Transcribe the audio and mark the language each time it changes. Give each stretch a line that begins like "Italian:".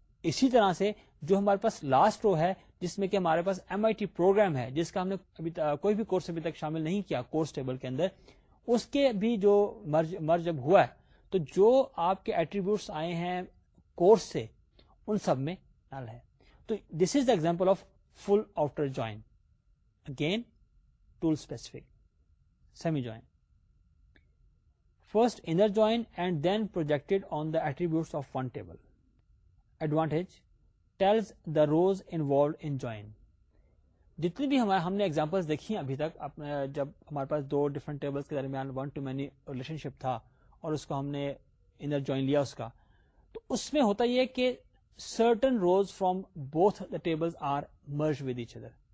Urdu: اسی طرح سے جو ہمارے پاس لاسٹ رو ہے جس میں کہ ہمارے پاس ایم آئی ٹی پروگرام ہے جس کا ہم نے ابھی کوئی بھی کورس ابھی تک شامل نہیں کیا کورس ٹیبل کے اندر, اس کے بھی جو مرج جب ہوا ہے تو جو آپ کے ایٹریبیوٹس آئے ہیں کورس سے ان سب میں نل ہے.
English: تو this is the example of full outer join, again tool specific semi join, first inner join and then projected on the attributes of one table, advantage tells the rows involved in join.
Urdu: جتنی بھی ہم نے examples دیکھی ہیں ابھی تک, جب ہمارے پاس دو ڈفرنٹ ٹیبلس کے درمیان ون ٹو مینی ریلیشن شپ تھا اور اس کو ہم نے انر جوائن لیا اس کا, تو اس میں ہوتا یہ کہ
English: Certain rows from both the tables are merged with each other.